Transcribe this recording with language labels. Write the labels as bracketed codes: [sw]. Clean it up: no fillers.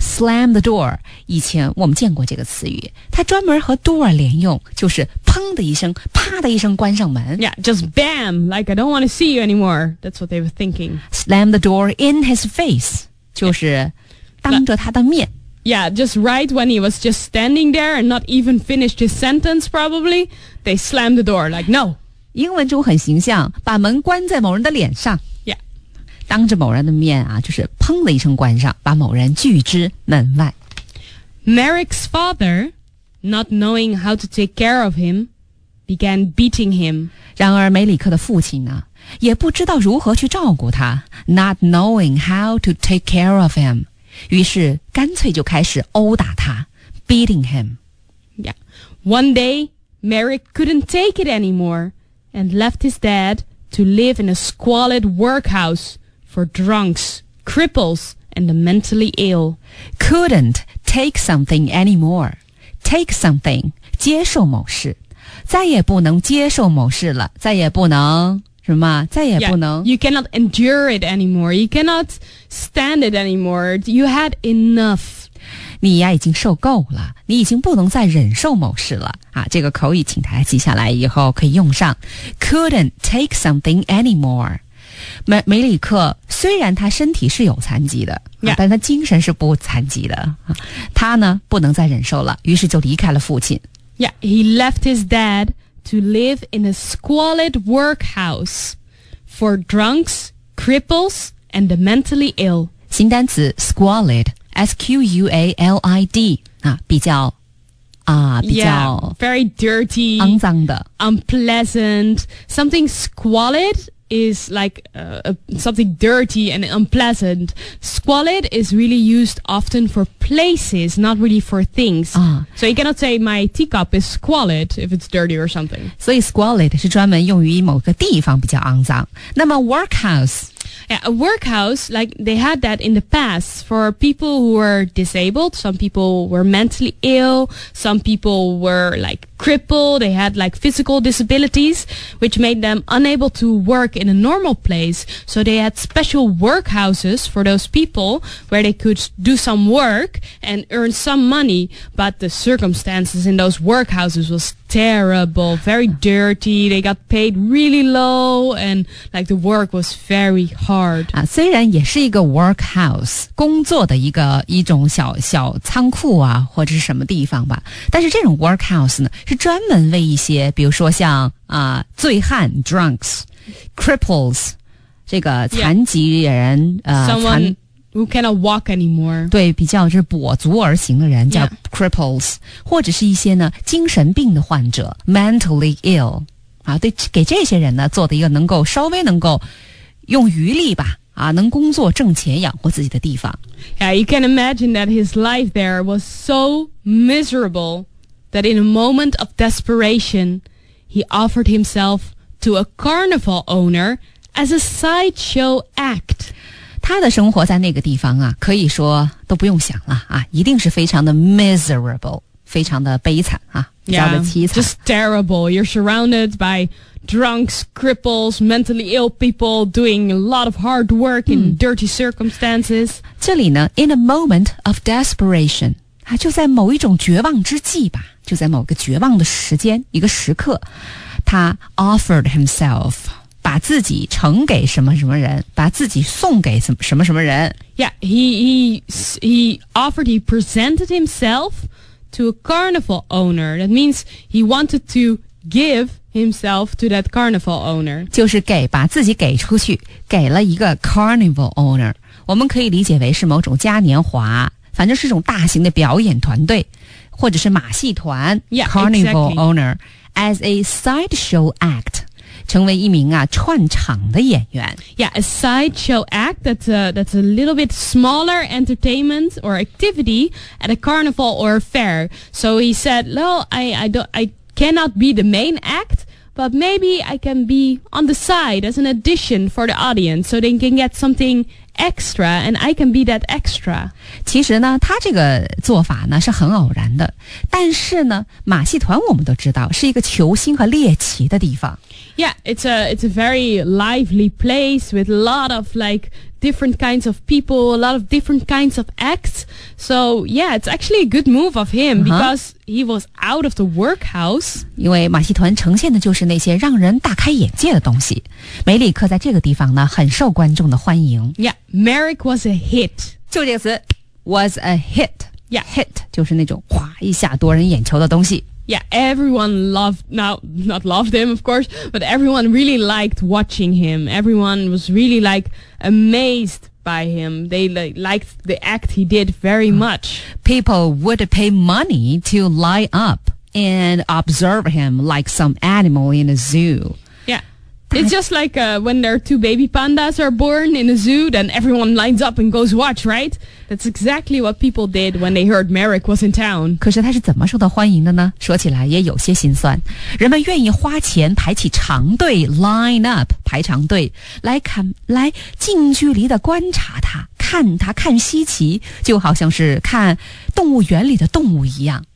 [en] Slam the door. [zh] 以前我们见过这个词语。它专门和 door 连用就是砰的一声啪的一声关上门。 [en] Yeah, just bam, like I don't want to see you anymore. That's what they were thinking. Slam the door in his face. [zh] 就是当着他的面。 [en] Yeah, just right when he was just standing there and not even finished his sentence probably, they slammed the door like no. [zh] 英文中很形象把门关在某人的脸上。当着某人的面啊，就是砰的一声关上，把某人拒之门外。 [en] Merrick's father, not knowing how to take care of him, began beating him. [zh] 然而梅里克的父亲呢，也不知道如何去照顾他 ， [en] not knowing how to take care of him， [zh] 于是干脆就开始殴打他 ， [en] beating him. Yeah. One day, Merrick couldn't take it anymore and left his dad to live in a squalid workhouse. For drunks, cripples, and the mentally ill. Couldn't take something anymore. Take something, [zh] 接受某事。再也不能接受某事了。再也不能,什么?再也不能。 [en] Yeah, you cannot endure it anymore. You cannot stand it anymore. You had enough. [zh] 你呀已经受够了。你已经不能再忍受某事了。啊,这个口语请大家记下来以后可以用上。 [en] Couldn't take something anymore. [zh] 梅里克虽然他身体是有残疾的、 [en] yeah. [zh] 但他精神是不残疾的他呢不能再忍受了于是就离开了父亲 [en] Yeah, he left his dad to live in a squalid workhouse for drunks, cripples, and the mentally ill. [zh] 新单词 squalid, S-Q-U-A-L-I-D, 啊比较啊比较 [en] yeah, very dirty, [zh] 肮脏的 [en] unpleasant, something squalid,is like something dirty and unpleasant. Squalid is really used often for places, not really for things. So you cannot say my teacup is squalid if it's dirty or something. [zh] 所以 squalid 是专门用于某个地方比较肮脏。那么 workhouse? [en] Yeah, a workhouse, like they had that in the past for people who were disabled. Some people were mentally ill. Some people were like... crippled, they had like physical disabilities, which made them unable to work in a normal place. So they had special workhouses for those people where they could do some work and earn some money. But the circumstances in those workhouses was terrible, very dirty. They got paid really low and like the work was very hard. [zh] 啊，虽然也是一个 workhouse, 工作的一种小仓库啊或者是什么地方吧。但是这种 workhouse 呢是专门为一些比如说像醉汉 drunks, cripples, 这个残疾人 [en] yeah, someone who cannot walk anymore. [zh] 对比较就是跛足而行的人叫 cripples,、yeah. 或者是一些呢精神病的患者 [en] mentally ill, [zh] 啊对给这些人呢做的一个能够稍微能够用余力吧啊能工作挣钱养活自己的地方。 [en] Yeah, you can imagine that his life there was so miserable. That in a moment of desperation, he offered himself to a carnival owner as a sideshow act. [zh] 他的生活在那个地方啊，可以说都不用想了啊，一定是非常的 miserable, 非常的悲惨啊，比较的凄惨。 [en] Yeah, just terrible. You're surrounded by drunks, cripples, mentally ill people doing a lot of hard work in dirty circumstances. [zh] 这里呢 [en] in a moment of desperation, [zh] 啊、就在某一种绝望之际吧就在某个绝望的时间一个时刻他 [en] offered himself [zh] 把自己呈给什么什么人把自己送给什么什么人 [en] Yeah, he presented himself to a carnival owner. That means he wanted to give himself to that carnival owner. [zh] 就是给把自己给出去给了一个 [en] carnival owner. [zh] 我们可以理解为是某种嘉年华反正是一种大型的表演团队或者是马戏团 [en] yeah, Carnival、 owner as a sideshow act [zh] 成为一名啊串场的演员 [en] Yeah, a sideshow act that's a little bit smaller entertainment or activity at a carnival or a fair. So he said, no, I cannot be the main actBut maybe I can be on the side as an addition for the audience so they can get something extra and I can be that extra. 其实呢他这个做法呢是很偶然的。但是呢马戏团我们都知道是一个求新和猎奇的地方。 Yeah, it's a very lively place with a lot of like different kinds of people, a lot of different kinds of acts. So yeah, it's actually a good move of him because he was out of the workhouse. [zh] 因为马戏团呈现的就是那些让人大开眼界的东西。梅里克在这个地方呢很受观众的欢迎。 [en] Yeah, Merrick was a hit. [zh] 就这个词 [en] was a hit. Yeah, [zh] hit 就是那种哗一下夺人眼球的东西。 [en] Yeah, everyone loved, not loved him, of course, but everyone really liked watching him. Everyone was really, like, amazed by him. They liked the act he did very much. People would pay money to line up and observe him like some animal in a zoo. It's just like when there are two baby pandas are born in a zoo, then everyone lines up and goes watch, right? That's exactly what people did when they heard Merrick was in town. [zh] 可是他是怎么受到欢迎的呢？说起来也有些心酸。人们愿意花钱排起长队 , [en] line up, [zh] 排长队来近距离的观察他看他看稀奇就好像是看动物园里的动物一样。